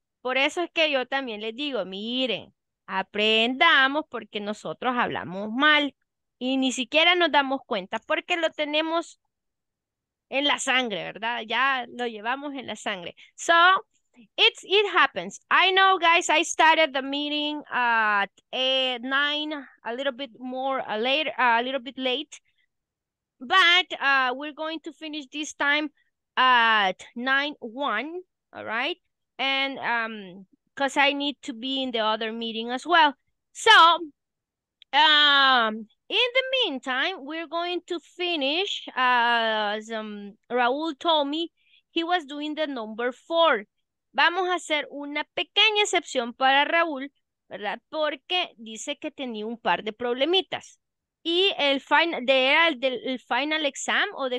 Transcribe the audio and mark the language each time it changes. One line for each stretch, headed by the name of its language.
Spanish: Por eso es que yo también les digo, miren, aprendamos porque nosotros hablamos mal. Y ni siquiera nos damos cuenta porque lo tenemos en la sangre, ¿verdad? Ya lo llevamos en la sangre.
English: So, it happens. I know, guys, I started the meeting at 9, a little bit late. But we're going to finish this time at 9:01, all right? And because I need to be in the other meeting as well. So, in the meantime, we're going to finish, as Raul told me, he was doing the number four.
Spanish: Vamos a hacer una pequeña excepción para Raul, ¿verdad? Porque dice que tenía un par de problemitas. ¿Y el final, el
English: final exam
Spanish: o de